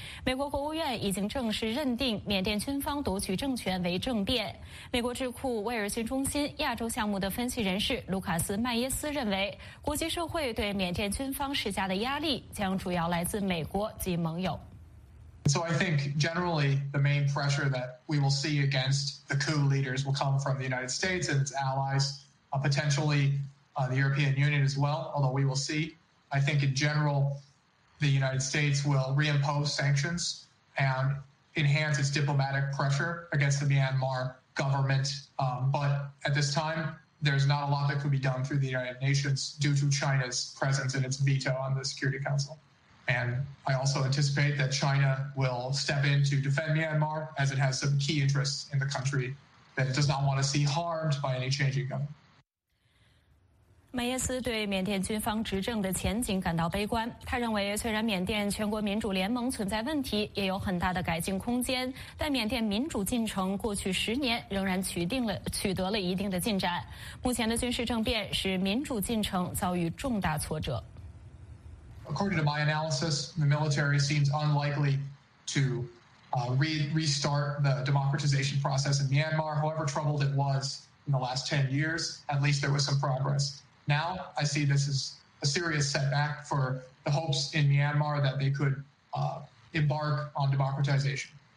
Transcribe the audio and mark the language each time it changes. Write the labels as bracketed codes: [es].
[zh] 美国国务院已经正式认定缅甸军方夺取政权为政变。美国智库威尔逊中心亚洲项目的分析人士卢卡斯·麦耶斯认为，国际社会对缅甸军方施加的压力将主要来自美国及盟友。 [en] So I think generally the main pressure that we will see against the coup leaders will come from the United States and its allies, potentially the European Union as well, although we will see. I think in general the United States will reimpose sanctions and enhance its diplomatic pressure against the Myanmar government. But at this time, there's not a lot that could be done through the United Nations due to China's presence and its veto on the Security Council. And I also anticipate that China will step in to defend Myanmar as it has some key interests in the country that it does not want to see harmed by any changing government. [zh] 麦耶斯对缅甸军方执政的前景感到悲观，他认为虽然缅甸全国民主联盟存在问题，也有很大的改进空间，但缅甸民主进程过去十年仍然取得了一定的进展，目前的军事政变使民主进程遭遇重大挫折。 [en] According to my analysis, the military seems unlikely to restart the democratization process in Myanmar, however troubled it was in the last 10 years, at least there was some progress. Now, I see this as a serious setback for the hopes in Myanmar that they could embark on democratization.